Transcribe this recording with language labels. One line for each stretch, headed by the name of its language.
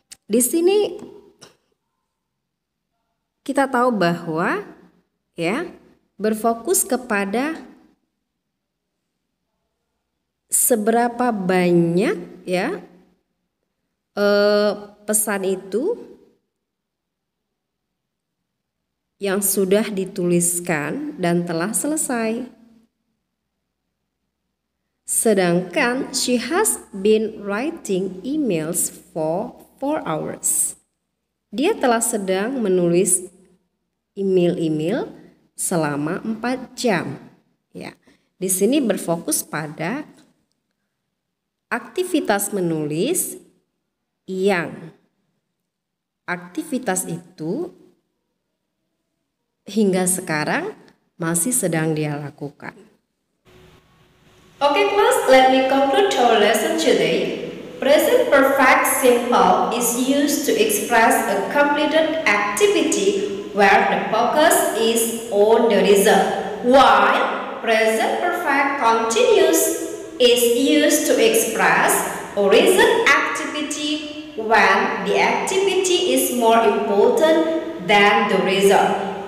Indonesian: Di sini kita tahu bahwa ya, berfokus kepada seberapa banyak ya pesan itu yang sudah dituliskan dan telah selesai. Sedangkan
English: she has been writing emails for 4 hours.
Indonesian: Dia telah sedang menulis email-email selama 4 jam. Ya. Di sini berfokus pada aktivitas menulis yang aktivitas itu hingga sekarang masih sedang dia lakukan.
English: Okay, class, let me conclude our lesson today. Present perfect simple is used to express a completed activity where the focus is on the result, while present perfect continuous is used to express a recent activity when the activity is more important than the result.